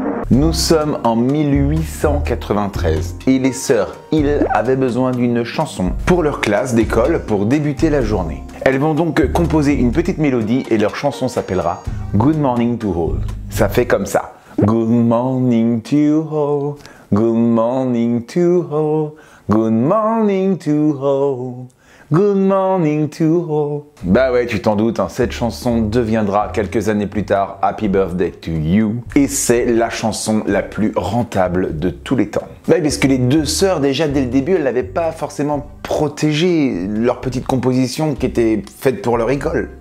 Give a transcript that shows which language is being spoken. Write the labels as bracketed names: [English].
[French] Nous sommes en 1893 et les sœurs Hill avaient besoin d'une chanson pour leur classe d'école pour débuter la journée. Elles vont donc composer une petite mélodie et leur chanson s'appellera Good Morning to All. Ça fait comme ça. [English] Good morning to all, good morning to all, good morning to all, good morning to all. [French] Bah ouais, tu t'en doutes, hein, cette chanson deviendra quelques années plus tard Happy Birthday to You. Et c'est la chanson la plus rentable de tous les temps. Bah parce que les deux sœurs, déjà dès le début, elles n'avaient pas forcément protégé leur petite composition qui était faite pour leur école.